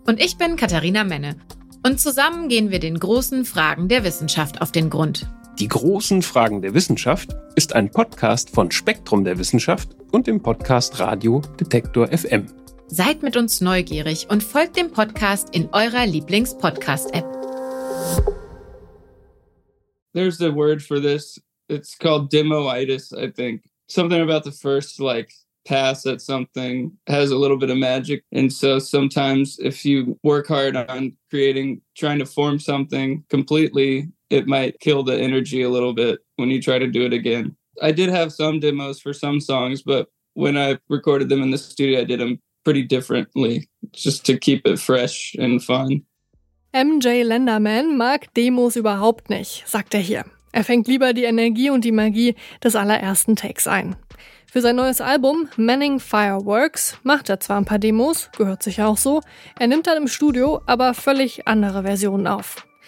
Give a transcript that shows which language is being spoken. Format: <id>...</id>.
<de>Und ich bin Katharina Menne. Und zusammen gehen wir den großen Fragen der Wissenschaft auf den Grund. Die großen Fragen der Wissenschaft ist ein Podcast von Spektrum der Wissenschaft und dem Podcast Radio Detektor FM. Seid mit uns neugierig und folgt dem Podcast in eurer Lieblings-Podcast-App.</de> <en>There's the word for this. It's called demoitis, I think. Something about the first, like, pass at something has a little bit of magic. And so sometimes if you work hard on creating, trying to form something completely, it might kill the energy a little bit when you try to do it again. I did have some demos for some songs, but when I recorded them in the studio, I did them pretty differently, just to keep it fresh and fun.</en> <de>MJ Lenderman mag Demos überhaupt nicht, sagt er hier. Er fängt lieber die Energie und die Magie des allerersten Takes ein. Für sein neues Album Manning Fireworks macht er zwar ein paar Demos, gehört sich auch so, er nimmt dann im Studio aber völlig andere Versionen auf.</de>